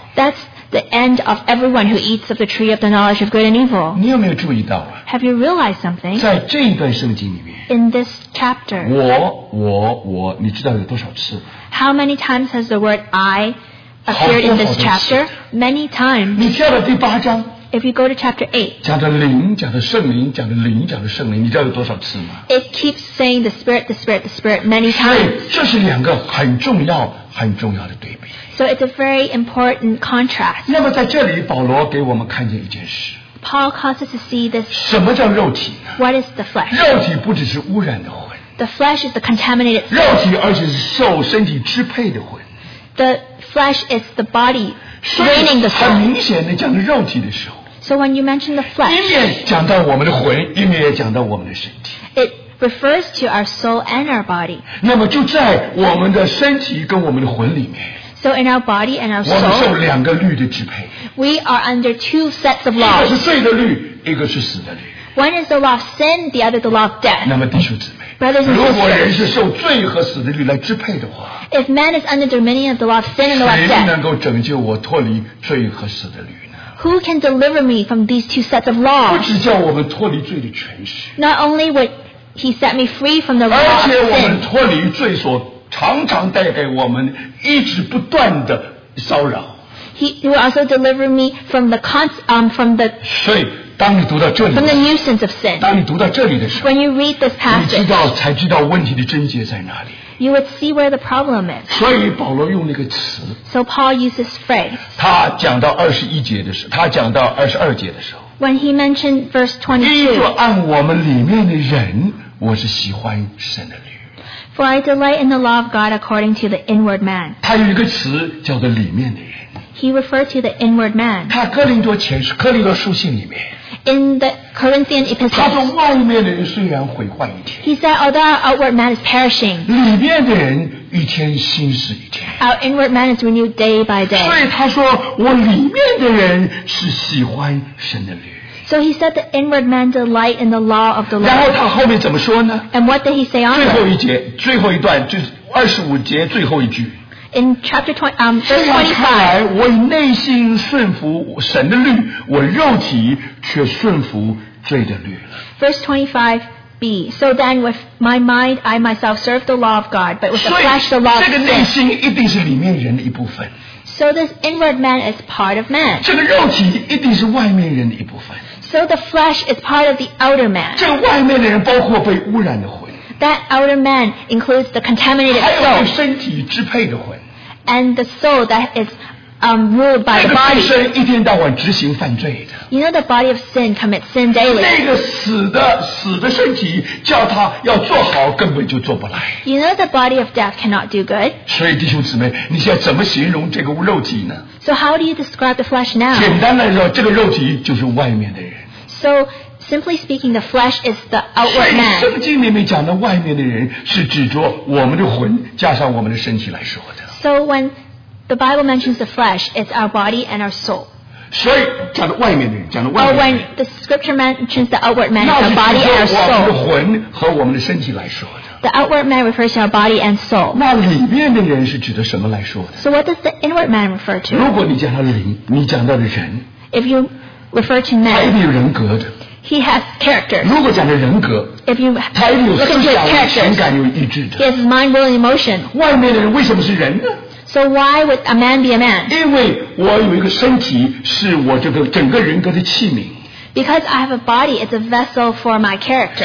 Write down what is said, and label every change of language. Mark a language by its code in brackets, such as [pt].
[en] That's the end of everyone who eats of the tree of the knowledge of good and evil. [zh] 你有没有注意到, [en] Have you realized something? [zh] 在这一段圣经里面, [en] In this chapter, [zh] 我, 你知道有多少次? [en] How many times has the word I appeared in this chapter? Many times. [zh] 你下了第八章, [en] If you go to chapter 8, [zh] 讲的灵讲的圣灵讲的灵讲的圣灵, 你知道有多少次吗? [en] It keeps saying the Spirit, the Spirit, the Spirit many times. [zh] 这是两个很重要的对比。 [en] So it's a very important contrast. [zh] 那么在这里保罗给我们看见一件事, [en] Paul causes us to see this. [zh] 什么叫肉体呢? [en] What is the flesh? [zh] 肉体不只是污染的魂, [en] The flesh is the contaminated [zh] soul. 肉体而且是受身体支配的魂, [en] The flesh is the body draining the soul. [zh] 很明显的讲肉体的时候, [en] So when you mention the flesh, [zh] 一面讲到我们的魂, 一面也讲到我们的身体, [en] It refers to our soul and our body. [zh] 那么就在我们的身体跟我们的魂里面, [en] So in our body and our soul, [zh] 我们受两个律的支配, [en] We are under two sets of laws. [zh] 一个是罪的律, 一个是死的律。 [en] One is the law of sin, the other the law of death. [zh] 那么弟兄姊妹, [en] Brothers and sisters, [zh] 如果人是受罪和死的律来支配的话, [en] If man is under dominion of the law of sin and the law of death, [zh] 谁能够拯救我脱离罪和死的律呢? [en] Who can deliver me from these two sets of laws? [zh] 不只叫我们脱离罪的权势, [en] Not only would he set me free from the law of sin, [zh] 而且我们脱离罪所 常常带给我们一直不断的骚扰。 [en] He will also deliver me from the [zh] 所以当你读到这里 [en] from the nuisance of sin, [zh] 当你读到这里的时候 [en] when you read this passage, [zh] 你知道才知道问题的症结在哪里 [en] you would see where the problem is. [zh] 所以保罗用那个词 [en] so Paul used this phrase. [zh] 他讲到二十一节的时候他讲到二十二节的时候 [en] when he mentioned verse 22, [zh] 因为按我们里面的人我是喜欢神的律 [en] For I delight in the law of God according to the inward man. [zh] 他有一个词叫做里面的人 [en] He referred to the inward man. [zh] 他哥林多前书，哥林多书信里面。 [en] In the Corinthian epistle. [zh] 他说外面的人虽然毁坏一天。 [en] He said, although our outward man is perishing. [zh] 里面的人一天新是一天。 [en] Our inward man is renewed day by day. [zh] 所以他说，我里面的人是喜欢神的律。 [en] So he said the inward man delight in the law of the Lord. [zh] 然后他后面怎么说呢 [en] ？And what did he say on? [zh] 最后一节，最后一段，就是二十五节最后一句。 [en] In chapter 25, verse 25b, so then with my mind I myself serve the law of God, but with the flesh the law of sin. So this inward man is part of man. So the flesh is part of the outer man. That outer man includes the contaminated soul. And the soul that is ruled by the body. [zh] 那个肉身一天到晚执行犯罪的。 [en] You know the body of sin commits sin daily. [zh] 那个死的身体叫他要做好根本就做不来。 [en] You know the body of death cannot do good. [zh] 所以弟兄姊妹，你现在怎么形容这个肉体呢 [en] ？So how do you describe the flesh now? [zh] 简单来说，这个肉体就是外面的人。 [en] So simply speaking, the flesh is the outward man. [zh] 所以圣经里面讲的外面的人是指着我们的魂加上我们的身体来说的。 [en] So when the Bible mentions the flesh, it's our body and our soul. [zh] 所以讲到外面的人，讲到外面。 [en] Or when the scripture mentions the outward man, our body and our soul. [zh] 那是指我们的魂和我们的身体来说的。 [en] The outward man refers to our body and soul. [zh] 那里面的人是指的什么来说的 [en] ？So what does the inward man refer to? [zh] 如果你讲到灵，你讲到的人。 [en] If you refer to man, [zh] 他一定有人格的。 [en] He has character. [zh] 如果讲到人格。 [en] If you look at his character, he has mind, will, and emotion. [zh] 外面的人为什么是人呢 [en] ？So why would a man be a man? [zh] 因为我有一个身体，是我这个整个人格的器皿。 [en] Because I have a body, it's a vessel for my character.